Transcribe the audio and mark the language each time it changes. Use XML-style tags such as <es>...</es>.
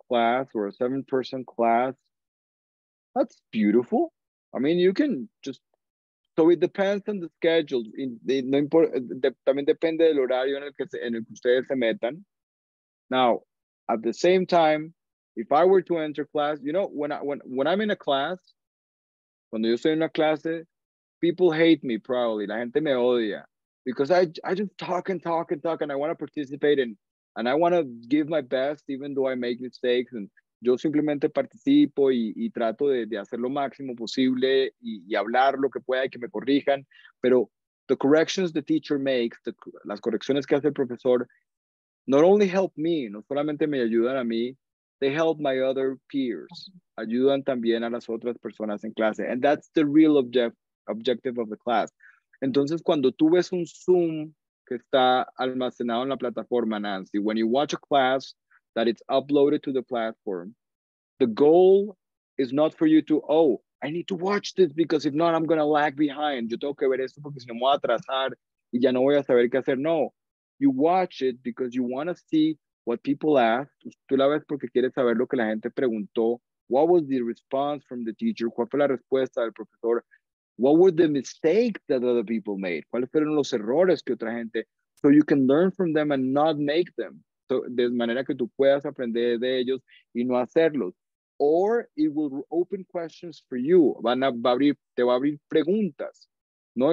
<en>A seven person class, that's beautiful. I mean, you can just, so it depends on the schedule.</en> <es>También depende del horario en el que ustedes se metan.</es> <en>Now, at the same time, if I were to enter class, you know, when I'm in a class,</en> <es>cuando yo estoy en una clase,</es> <en>people hate me probably,</en> <es>la gente me odia,</es> <en>because I just talk and talk and talk and I want to participate in. And I want to give my best, even though I make mistakes.</en> <es>And yo simplemente participo y trato de hacer lo máximo posible y hablar lo que pueda y que me corrijan.</es> <en>Pero the corrections the teacher makes,</en> <es>las correcciones que hace el profesor,</es> <en>not only help me,</en> <es>no solamente me ayudan a mí,</es> <en>they help my other peers.</en> <es>Ayudan también a las otras personas en clase.</es> <en>And that's the real objective of the class.</en> <es>Entonces, cuando tú ves un Zoom que está almacenado en la plataforma,</es> <en>Nancy, when you watch a class that it's uploaded to the platform, the goal is not for you to, oh, I need to watch this because if not, I'm going to lag behind.</en> <es>Yo tengo que ver esto porque si no me voy a atrasar y ya no voy a saber qué hacer.</es> <en>No, you watch it because you want to see what people asked.</en> <es>Tú la ves porque quieres saber lo que la gente preguntó.</es> <en>What was the response from the teacher?</en> <es>¿Cuál fue la respuesta del profesor?</es> <en>What were the mistakes that other people made?</en> <es>¿Cuáles fueron los errores que otra gente?</es> <en>So you can learn from them and not make them.</en> <es>So, de manera que tú puedas aprender de ellos y no hacerlos.</es> <en>or it will open questions for you.</en> <es>Te va a abrir preguntas, ¿no?</es>